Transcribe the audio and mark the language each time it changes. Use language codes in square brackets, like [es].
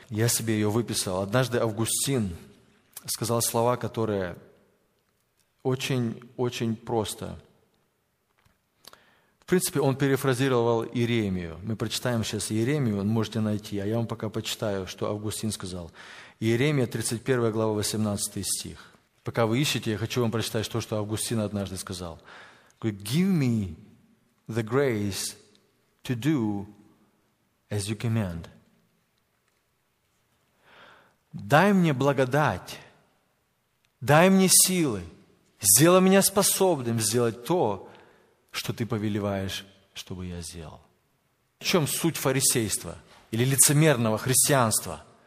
[ru] Я себе ее выписал. Однажды Августин сказал слова, которые очень-очень просто. В принципе, он перефразировал Иеремию. Мы прочитаем сейчас Иеремию, можете найти. А я вам пока почитаю, что Августин сказал. Иеремия, 31 глава, 18 стих. Пока вы ищете, я хочу вам прочитать то, что Августин однажды сказал. [en] Give me the grace to do as you command. [ru] Дай мне благодать, дай мне силы, сделай меня способным сделать то, что ты повелеваешь, чтобы я сделал. В чем суть фарисейства или лицемерного христианства?